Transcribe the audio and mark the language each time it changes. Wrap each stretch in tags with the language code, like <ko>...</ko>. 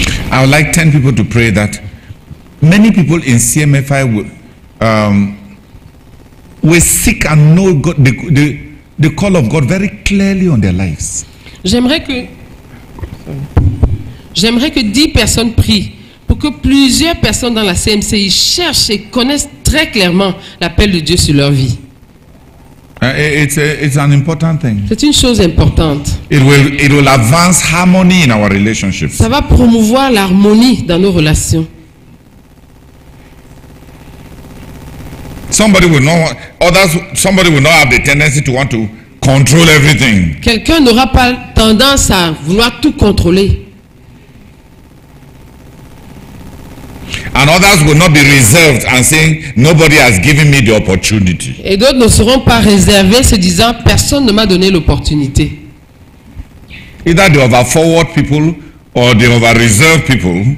<en>I would like 10 people to pray that many people in CMFI will seek and know God, the call of God very clearly on their lives.</en> <fr>J'aimerais que 10 personnes prient pour que plusieurs personnes dans la CMCI cherchent et connaissent très clairement l'appel de Dieu sur leur vie.</fr> <en>It's an important thing.</en> <fr>C'est une chose importante.</fr> <en>It will advance harmony in our relationships.</en> <fr>Ça va promouvoir l'harmonie dans nos relations.</fr> <en>Somebody will not have the tendency to want to control everything.</en> <fr>Quelqu'un n'aura pas tendance à vouloir tout contrôler.</fr> <en>And others will not be reserved and saying nobody has given me the opportunity.</en> <fr>Et d'autres ne seront pas réservés, se disant personne ne m'a donné l'opportunité.</fr> <en>Either the over forward people or the over reserved people.</en>